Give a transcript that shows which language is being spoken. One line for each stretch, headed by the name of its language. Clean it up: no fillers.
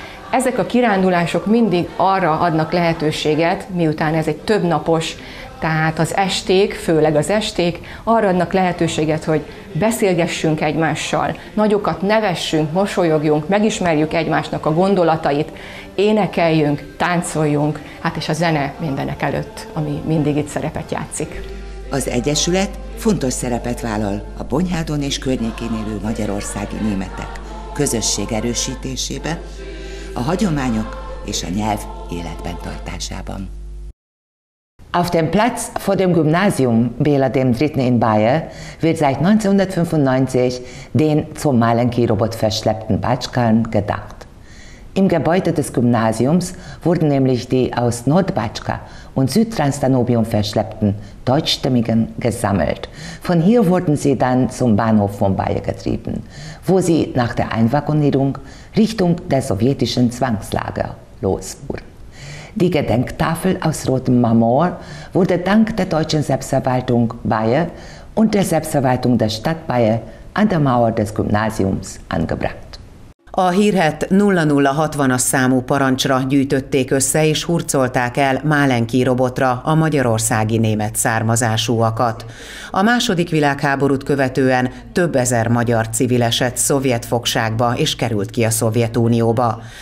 Hungarian: Ezek a kirándulások mindig arra adnak lehetőséget, miután ez egy több napos, tehát az esték, főleg az esték, arra adnak lehetőséget, hogy beszélgessünk egymással, nagyokat nevessünk, mosolyogjunk, megismerjük egymásnak a gondolatait, énekeljünk, táncoljunk, hát és a zene mindenek előtt, ami mindig itt szerepet játszik. Az Egyesület fontos szerepet vállal a Bonyhádon és környékén élő magyarországi németek közösség erősítésébe, a hagyományok és a nyelv életben tartásában.
German: Auf dem Platz vor dem Gymnasium Béla dem Dritten in Bayer wird seit 1995 den zum Malenki-Robot verschleppten Batschkan gedacht. Im Gebäude des Gymnasiums wurden nämlich die aus Nordbatschka und Südtransdanubium verschleppten Deutschstämmigen gesammelt. Von hier wurden sie dann zum Bahnhof von Bayer getrieben, wo sie nach der Einwaggonierung Richtung der sowjetischen Zwangslager losfuhren. Die Gedenktafel aus rotem Marmor wurde dank der deutschen Selbstverwaltung Bayer und der Selbstverwaltung der Stadt Bayer an der Mauer des Gymnasiums angebracht.
Hungarian: A hírhet 0060-as számú parancsra gyűjtötték össze és hurcolták el Malenki robotra a magyarországi német származásúakat. A II. Világháborút követően több ezer magyar civil esett szovjet fogságba és került ki a Szovjetunióba.